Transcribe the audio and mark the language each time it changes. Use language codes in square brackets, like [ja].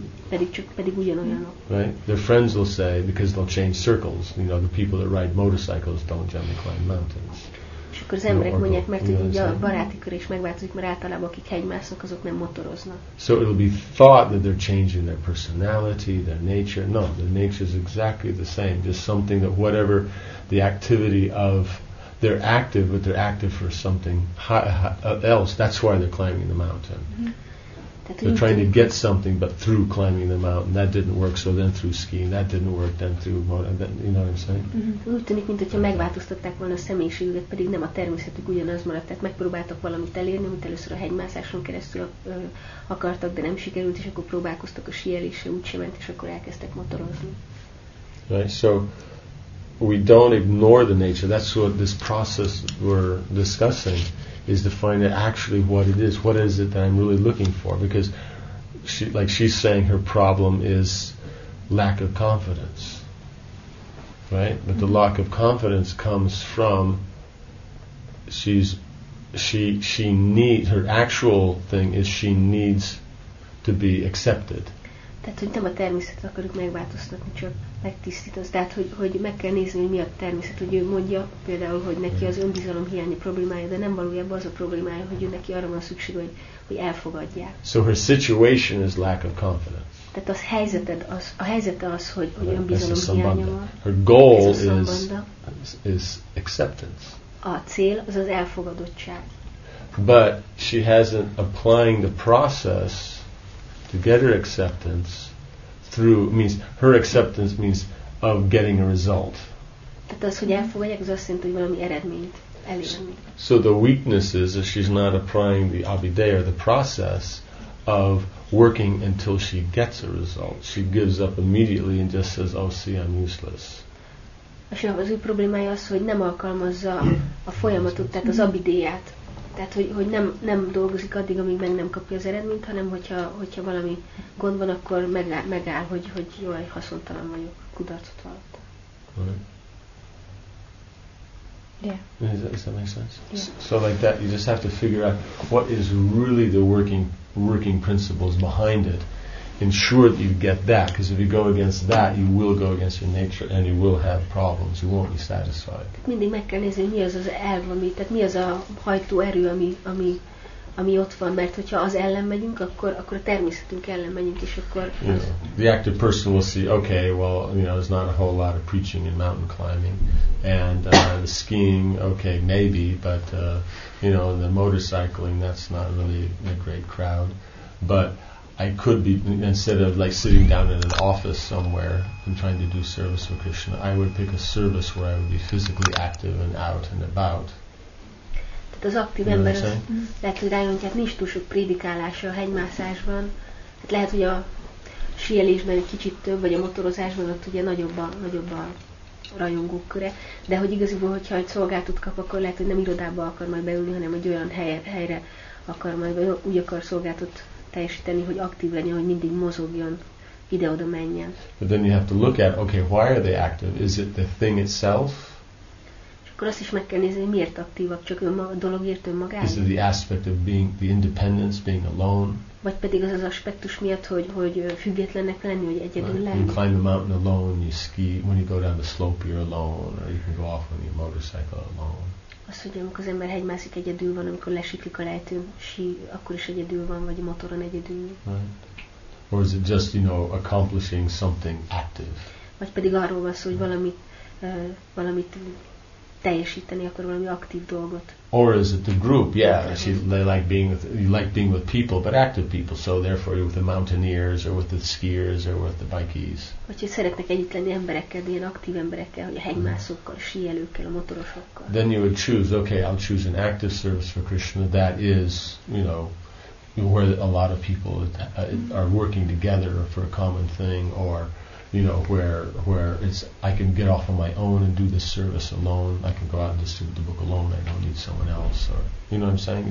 [en] Right? Their friends will say, because they'll change circles, you know, the people that ride motorcycles don't generally climb mountains. [hu] És akkor az emberek mondják, mert hogy a baráti kör is megváltozik, mert általában akik hegymászok, azok nem motoroznak. [en] So it will be thought that they're changing their personality, their nature. No, the nature is exactly the same. Just something that whatever the activity of, they're active, but they're active for something else. That's why they're climbing the mountain. They're trying to get something, but through climbing the mountain, that didn't work, so then through skiing, that didn't work, then through, you know what I'm saying? Mm-hmm. [hu] Úgy tűnik, mintha megváltoztatták volna a személyiségüket, pedig nem a természetük ugyanaz maradt. Tehát megpróbáltak valamit elérni, amit először a hegymászáson keresztül akartak, de nem sikerült, és akkor próbálkoztak a síelésre, úgy sem ment, és akkor elkezdtek motorozni. [en] Right, so we don't ignore the nature. That's what this process we're discussing. Is to find out actually what it is. What is it that I'm really looking for? Because, she's saying, her problem is lack of confidence, right? But the lack of confidence comes from her actual thing is she needs to be accepted. [hu] Tehát, hogy nem a természetet akarjuk megváltoztatni, csak megtisztítasz. Tehát, hogy meg kell nézni, hogy mi a természet, hogy ő mondja például, hogy neki az önbizalom hiányi problémája, de nem valójában az a problémája, hogy ő neki arra van szükség, hogy elfogadják. [en] So her situation is lack of confidence. [hu] Tehát az helyzeted, a helyzete az, hogy önbizalom hiánya van. [en] Her goal is acceptance. [hu] A cél az az elfogadottság. [en] But she hasn't applying the process to get her acceptance through means her acceptance means of getting a result. [hu] Tehát az, hogy elfogadják, az azt jelenti, hogy valami eredményt elérni. [en] So the weakness is that she's not applying the abhideya or the process of working until she gets a result. She gives up immediately and just says, "Oh, see, I'm useless." [hu] És az ő problémája az, hogy nem alkalmazza a folyamatot, tehát az abhideyát. Tehát, hogy nem dolgozik addig, amíg meg nem kapja az eredményt, hanem hogyha valami gond van, akkor megáll, hogy jaj, haszontalan vagyok, kudarcot vallottam. [en] Right. Yeah. Does that make sense? Yeah. So like that, you just have to figure out what is really the working principles behind it. Ensure that you get that, because if you go against that, you will go against your nature, and you will have problems. You won't be satisfied. [hu] Mindig meg kell nézni, mi az az elv, tehát mi az a hajtóerő, ami ott van, mert hogyha az ellen megyünk, akkor a természetünk ellen megyünk, és akkor. [en] The active person will see, okay, well, you know, there's not a whole lot of preaching in mountain climbing, and the skiing, okay, maybe, but you know, the motorcycling, that's not really a great crowd, but. I could be, instead of like sitting down in an office somewhere and trying to do service for Krishna, I would pick a service where I would be physically active and out and about. [hu] Tehát az aktív ember az lehet, hogy rájön, hogy hát nincs túl sok prédikálása a hegymászásban. Hát lehet, hogy a síelésben egy kicsit több, vagy a motorozásban ott ugye nagyobb a rajongók köre. De hogy igazából, hogyha egy szolgáltat kap, akkor lehet, hogy nem irodába akar majd beülni, hanem egy olyan helyre akar majd beülni, úgy akar szolgáltat teljesíteni, hogy aktív legyen, hogy mindig mozogjon, ide-oda menjen. [en] But then you have to look at, okay, why are they active? Is it the thing itself? [hu] És akkor azt is meg kell nézni, miért aktívak, csak a dologért önmagáért. [en] Is it the aspect of being the independence, being alone? [hu] Vagy pedig az aspektus miatt, hogy függetlennek lenni, hogy egyedül [en] right. [hu] lenni. [en] You climb the mountain alone, you ski, when you go down the slope you're alone, or you can go off on your motorcycle alone. [hu] Az, hogy amikor az ember hegymászik egyedül van, amikor lesiklik a lejtőn, akkor is egyedül van, vagy a motoron egyedül. [en] Right. Or is it just, you know, accomplishing something active? [hu] Vagy pedig arról van szó, hogy valamit teljesíteni akar valami aktív dolgot. [en] Or is it the group? Yeah, they like being with, you like being with people, but active people. So therefore, you're with the mountaineers or with the skiers or with the bikies. [hu] Vagy hogy szeretnek együtt lenni emberekkel, ilyen aktív emberekkel, hogy a hegymászókkal, a síelőkkel, a motorosokkal. [en] Then you would choose. Okay, I'll choose an active service for Krishna. That is, you know, where a lot of people are working together for a common thing, or you know, where it's I can get off on my own and do this service alone. I can go out and distribute the book alone. I don't need someone else. Or you know what I'm saying?